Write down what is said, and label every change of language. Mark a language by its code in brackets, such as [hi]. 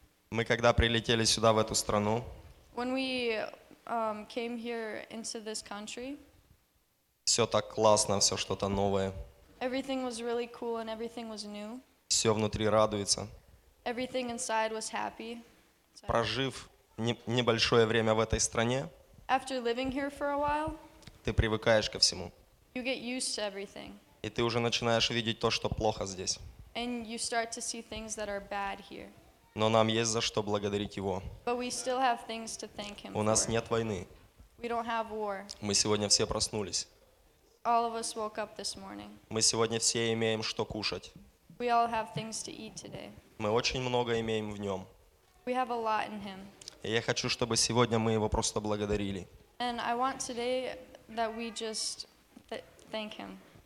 [ru] Мы когда прилетели сюда, в эту страну, [en] When we came here into this country, [ru] все так классно, все что-то новое. [en] Everything was really cool and everything was new. [ru] Все внутри радуется. [en] Everything inside was happy. [ru] Прожив небольшое время в этой стране, [en] After living here for a while, [ru] ты привыкаешь ко всему. [en] You get used to everything. [ru] И ты уже начинаешь видеть то, что плохо здесь. [en] And you start to see things that are bad here. [ru] Но нам есть за что благодарить Его. [en] But we still have things to thank him [ru] У нас [en] for. [ru] Нет войны. [en] We don't have war. [ru] Мы сегодня все проснулись. [en] All of us woke up this morning. [ru] Мы сегодня все имеем что кушать. [en] We all have things to eat today. [ru] Мы очень много имеем в Нем. [en] We have a lot in him. [ru] И я хочу, чтобы сегодня мы Его просто благодарили. [en] And I want today that we just thank him.